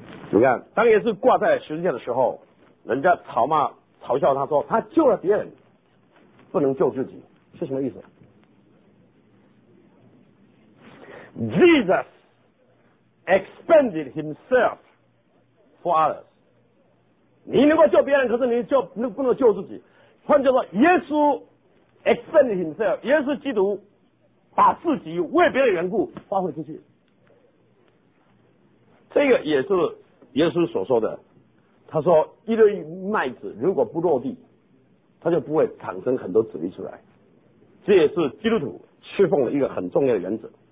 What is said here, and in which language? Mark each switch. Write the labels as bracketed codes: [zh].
[zh] 你看，当耶稣挂在十字架的时候，人家嘲笑他说他救了别人不能救自己，是什么意思？ [en] Jesus expended himself for others。 [zh] 你能够救别人，可是你救不能救自己。换句话说，耶稣 [en] expended himself， [zh] 耶稣基督把自己为别人缘故发挥出去，这个也是耶稣所说的。他说一粒麦子如果不落地，他就不会产生很多子粒出来，这也是基督徒侍奉的一个很重要的原则。